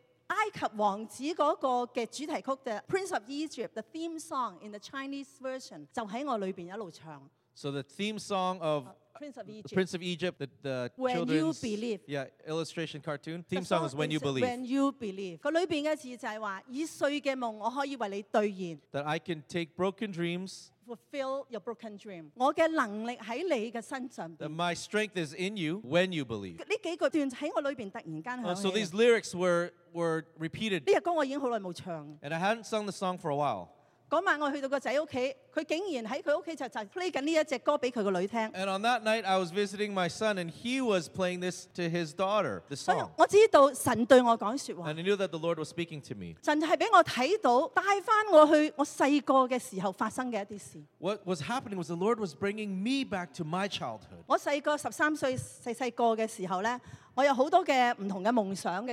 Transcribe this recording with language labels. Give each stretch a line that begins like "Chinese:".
Chinese: 埃及王子那个的主题曲的
English: Prince of Egypt, the theme song in the Chinese version,
Chinese: 就在我里面一路唱.
English: So the theme song of Prince of Egypt, the when children's you believe. Yeah, illustration cartoon, theme song is When You Believe. When You Believe.
Chinese: 里面的字就是说,以岁的梦我可以为你兑现.
English: That I can take broken dreams. Fulfill your broken dream.
Chinese: 我的能力在你的身上.
English: That my strength is in you when you believe.
Chinese: 这几个段在我里面突然间响起.
English: So these lyrics were repeated.
Chinese: 这首歌我已经很久没唱.
English: And I hadn't sung the song for a while.
Chinese: 那晚我去到兒子家,他竟然在他家裡就在play這首歌給他的女兒聽.
English: And on that night, I was visiting my son, and he was playing this to his daughter, the song.
Chinese: 我知道神對我講說話.
English: And I knew that the Lord was speaking to me.
Chinese: 神就讓我看到,帶回我去我小時候發生的一些事.
English: What was happening was the Lord was bringing me back to my childhood.
Chinese: 我小時候13歲,小小時候呢, 我有很多不同的夢想的.